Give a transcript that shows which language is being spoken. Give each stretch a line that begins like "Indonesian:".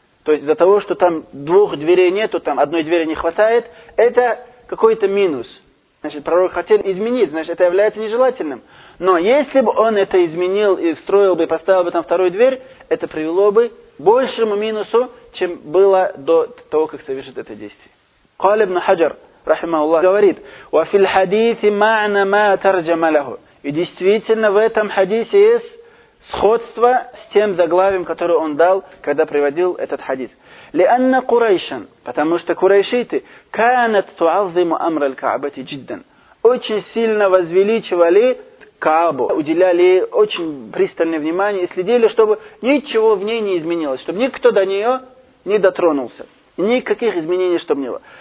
Russian: То есть из-за того, что там двух дверей нету, там одной двери не хватает, это какой-то минус. Значит, пророк хотел изменить, значит, это является нежелательным. Но если бы он это изменил и встроил бы, и поставил бы там вторую дверь, это привело бы большему минусу, чем было до того, как совершит это действие.
Arabic: قال ابن حجر رحمه الله
Russian: говорит:
Arabic: وفي الحديث معنى ما ترجم له.
Russian: И действительно в этом хадисе есть сходство с тем заглавием, которое он дал, когда приводил этот хадис.
Arabic: لأن قريشا,
Russian: потому что курайшиты,
Arabic: كانت تعظم أمر الكعبة جدا,
Russian: очень сильно возвеличивали Каабу, уделяли ей очень пристальное внимание и следили, чтобы ничего в ней не изменилось, чтобы никто до нее не дотронулся, никаких изменений, чтобы не было.